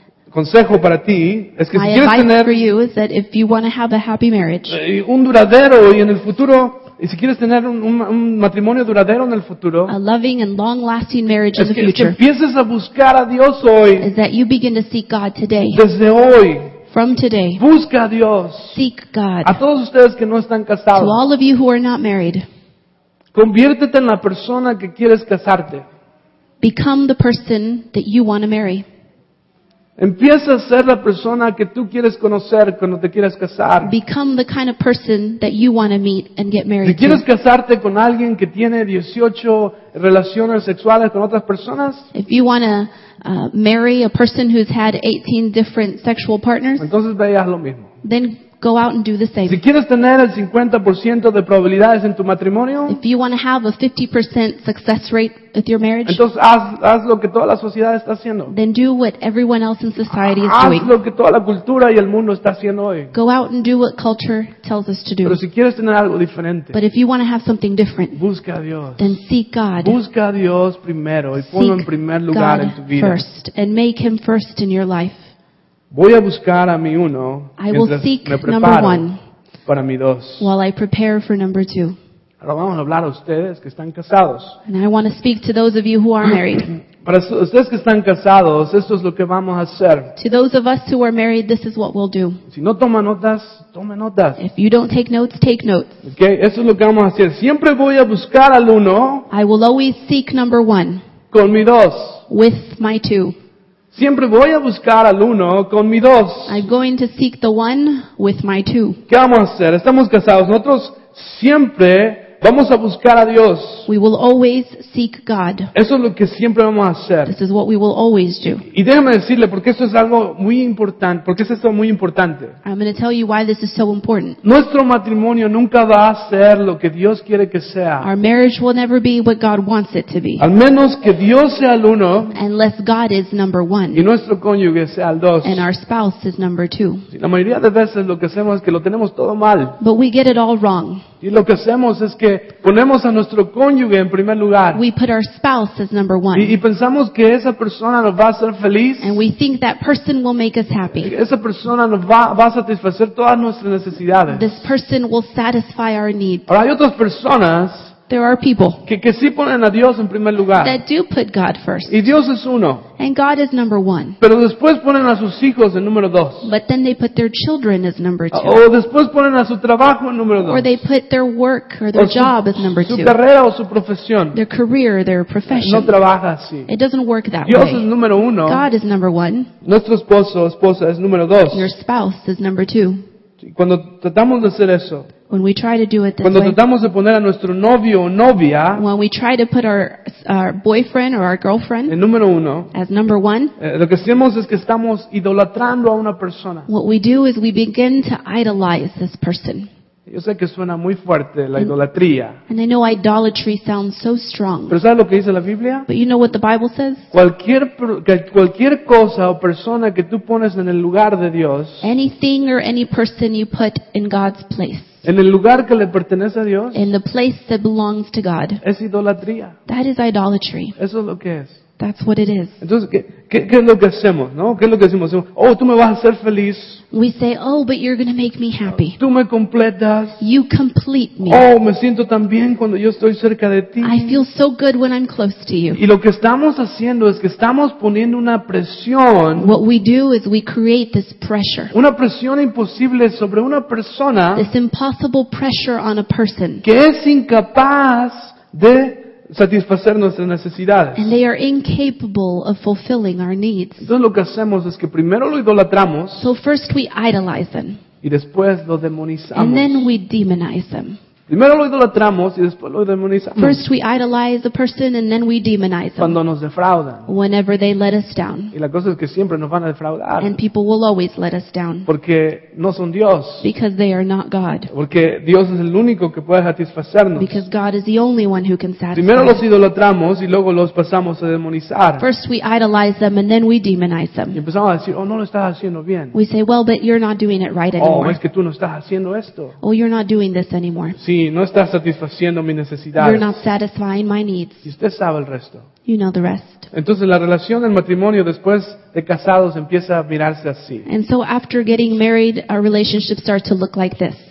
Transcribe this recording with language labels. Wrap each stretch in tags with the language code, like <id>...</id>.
<es>Consejo para ti es que si quieres tener.</es> <en>My advice for you is that if you want to have a happy marriage.</en> <es>Un duradero y en el futuro. Y si quieres tener un matrimonio duradero en el futuro.</es> <en>A loving and long-lasting marriage in the future.</en> <es>Es que empieces a buscar a Dios hoy.</es> <en>Is that you begin to seek God today.</en> <es>Desde hoy.</es> <en>From today.</en> <es>Busca a Dios.</es> <en>Seek God.</en> <es>A todos ustedes que no están casados.</es> <en>To all of you who are not married.</en> <es>Conviértete en la persona que quieres casarte.</es> <en>Become the person that you want to marry.</en> <es>Empieza a ser la persona que tú quieres conocer cuando te quieres casar.</es> <en>Become the kind of person that you want to meet and get married to.</en> <es>Si quieres casarte con alguien que tiene 18 relaciones sexuales con otras personas.</es> <en>If you want to marry a person who's had 18 different sexual partners.</en> <es>Entonces ve y haz lo mismo.</es> <en>Then go out and do the same.</en> <es>Si quieres tener el 50% de probabilidades en tu matrimonio.</es> <en>If you want to have a 50% success rate with your marriage.</en> <es>Entonces haz lo que toda la sociedad está haciendo.</es> <en>Then do what everyone else in society is</en> <es>haz</es> <en>doing.</en> <es>Haz lo que toda la cultura y el mundo está haciendo hoy.</es> <en>Go out and do what culture tells us to do.</en> <es>Pero si quieres tener algo diferente.</es> <en>But if you want to have something different.</en> <es>Busca a Dios.</es> <en>Then seek God.</en> <es>Busca a Dios primero y ponlo en primer lugar</es> <en>God</en> <es>en tu vida.</es> <en>First and make him first in your life.</en> <es>Voy a buscar a mi uno mientras me preparo para mi dos.</es> <en>While I prepare for number two.</en> <es>Ahora vamos a hablar a ustedes que están casados.</es> <en>And I want to speak to those of you who are married.</en> <es>Para ustedes que están casados, esto es lo que vamos a hacer.</es> <en>To those of us who are married, this is what we'll do.</en> <es>Si no toma notas, tome notas.</es> <en>If you don't take notes, take notes.</en> <es>Okay, eso es lo que vamos a hacer. Siempre voy a buscar al uno.</es> <en>I will always seek number one.</en> <es>Con mi dos.</es> <en>With my two.</en> <es>Siempre voy a buscar al uno con mi dos.</es> <en>I'm going to seek the one with my two.</en> <es>¿Qué vamos a hacer? Estamos casados. Nosotros siempre vamos a buscar a Dios.</es> <en>We will always seek God.</en> <es>Eso es lo que siempre vamos a hacer.</es> <en>This is what we will always do.</en> <es>Y déjame decirle porque esto es algo muy importante. Porque es esto muy importante.</es> <en>I'm going to tell you why this is so important.</en> <es>Nuestro matrimonio nunca va a ser lo que Dios quiere que sea.</es> <en>Our marriage will never be what God wants it to be.</en> <es>Al menos que Dios sea el uno.</es> <en>Unless God is number one.</en> <es>Y nuestro cónyuge sea el dos.</es> <en>And our spouse is number two.</en> <es>La mayoría de veces lo que hacemos es que lo tenemos todo mal.</es> <en>But we get it all wrong.</en> <es>Y lo que hacemos es que ponemos a nuestro cónyuge en primer lugar.</es> <en>We put our spouse as number one.</en> <es>Y pensamos que esa persona nos va a hacer feliz.</es> <en>And we think that person will make us happy.</en> <es>Esa persona nos va a satisfacer todas nuestras necesidades.</es> <en>This person will satisfy our needs.</en> <es>Ahora hay otras personas.</es> <en>There are people</en> <es>que sí ponen a Dios en primer lugar.</es> <en>That do put God first.</en> <es>Y Dios es uno.</es> <en>And God is number one.</en> <es>Pero después ponen a sus hijos en número dos.</es> <en>But then they put their children as number two.</en> <es>O después ponen a su trabajo en número dos.</es> <en>Or they put their work or their job as number two.</en> <es>Su carrera o su profesión.</es> <en>Their career, their profession.</en> <es>No trabaja así.</es> <en>It doesn't work that</en> <es>Dios</es> <en>way.</en> <es>Dios es número uno.</es> <en>God is number one.</en> <es>Nuestro esposo o esposa es número dos.</es> <en>Your spouse is number two.</en> <es>Cuando tratamos de hacer eso,</es> <en>when we try to do it this way,</en> <es>cuando tratamos de poner a nuestro novio o novia,</es> <en>when we try to put our boyfriend or our girlfriend</en> <es>en número uno,</es> <en>as number one,</en> <es>lo que hacemos es que estamos idolatrando a una persona.</es> <en>What we do is we begin to idolize this person.</en> <es>Yo sé que suena muy fuerte la idolatría.</es> <en>And I know idolatry sounds so strong.</en> <es>¿Pero sabes lo que dice la Biblia?</es> <en>But you know what the Bible says?</en> <es>Cualquier cosa o persona que tú pones en el lugar de Dios.</es> <en>Anything or any person you put in God's place.</en> <es>En el lugar que le pertenece a Dios.</es> <en>In the place that belongs to God.</en> <es>Es idolatría.</es> <en>That is idolatry.</en> <es>Eso es lo que es.</es> <en>That's what it is.</en> <es>Entonces, ¿qué es lo que hacemos, no? ¿Qué es lo que decimos? Oh, tú me vas a hacer feliz.</es> <en>We say, oh, but you're going to make me happy.</en> <es>Tú me completas.</es> <en>You complete me.</en> <es>Oh, me siento tan bien cuando yo estoy cerca de ti.</es> <en>I feel so good when I'm close to you.</en> <es>Y lo que estamos haciendo es que estamos poniendo una presión.</es> <en>What we do is we create this pressure.</en> <es>Una presión imposible sobre una persona.</es> <en>This impossible pressure on a person.</en> <es>Que es incapaz de satisfacer nuestras necesidades.</es> <en>And they are incapable of fulfilling our needs.</en> <es>Entonces lo que hacemos es que primero lo idolatramos.</es> <en>So first we idolize them.</en> <es>Y después lo demonizamos.</es> <en>And then we demonize them.</en> <es>Primero lo idolatramos y después lo demonizamos.</es> <en>First we idolize the person and then we demonize them.</en> <es>Cuando nos defraudan.</es> <en>Whenever they let us down.</en> <es>Y la cosa es que siempre nos van a defraudar.</es> <en>And people will always let us down.</en> <es>Porque no son Dios.</es> <en>Because they are not God.</en> <es>Porque Dios es el único que puede satisfacernos.</es> <en>Because God is the only one who can satisfy.</en> <es>Primero los idolatramos y luego los pasamos a demonizar.</es> <en>First we idolize them and then we demonize them.</en> <es>Y empezamos a decir, oh, no lo estás haciendo bien.</es> <en>We say, well, but you're not doing it right anymore.</en> <es>Oh, es que tú no estás haciendo esto.</es> <en>Oh, you're not doing this anymore.</en> <es>Sí, no estás satisfaciendo mis necesidades.</es> <en>You're not satisfying my needs.</en> <es>Y usted sabe el resto.</es> <en>You know the rest.</en> <es>Entonces la relación del matrimonio después de casados empieza a mirarse así.</es> <en>And so after getting married, our relationship starts to look like this.</en>